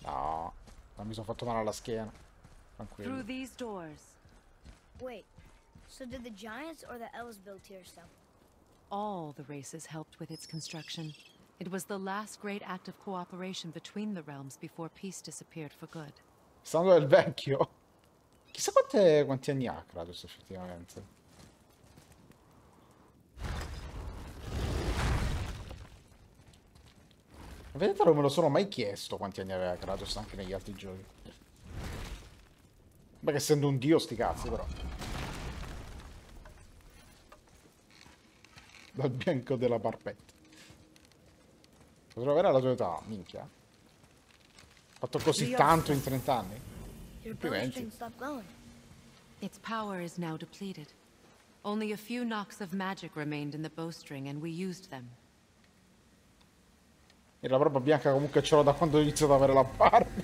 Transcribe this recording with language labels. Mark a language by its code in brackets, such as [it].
[it] No, non mi sono fatto male alla schiena. Tranquillo. [en] Through these doors. Wait. So did the giants or the elves build here stuff? All the races helped with its construction. It was the last great act of cooperation between the realms before peace disappeared for good. [it] Sono del vecchio. Chissà quanti anni ha Kratos effettivamente. Vedete, non me lo sono mai chiesto quanti anni aveva Kratos anche negli altri giochi. Beh, essendo un dio sti cazzi però. Dal bianco della barbetta. Potrò avere la tua età, minchia. Ho fatto così tanto in 30 anni. Complimenti. [en] Its power is now depleted. Only a few knocks of magic remained in the bowstring and we used them. [it] E la barba bianca comunque ce l'ho da quando ho iniziato ad avere la barba.